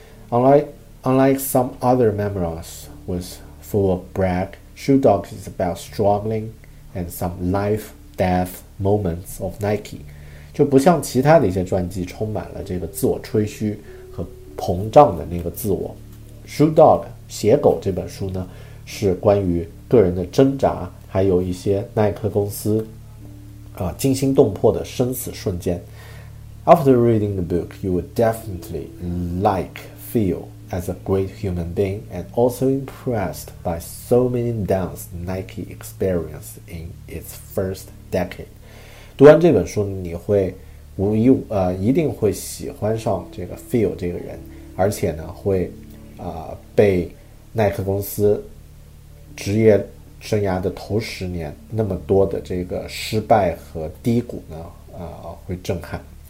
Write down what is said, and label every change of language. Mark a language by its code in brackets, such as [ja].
[en] Unlike some other memoirs was full of brag, Shoe Dog is about struggling and some life death moments of Nike， [zh] 就不像其他的一些传记充满了这个自我吹嘘和膨胀的那个自我。 Shoe Dog 鞋狗这本书呢，是关于个人的挣扎，还有一些耐克公司惊心动魄的生死瞬间。 [en] After reading the book, you would definitely like Phil as a great human being and also impressed by so many downs Nike experienced in its first decade. [zh] 读完这本书，你会一定会喜欢上这个 Phil 这个人，而且呢会被耐克公司职业生涯的头十年那么多的这个失败和低谷呢会震撼。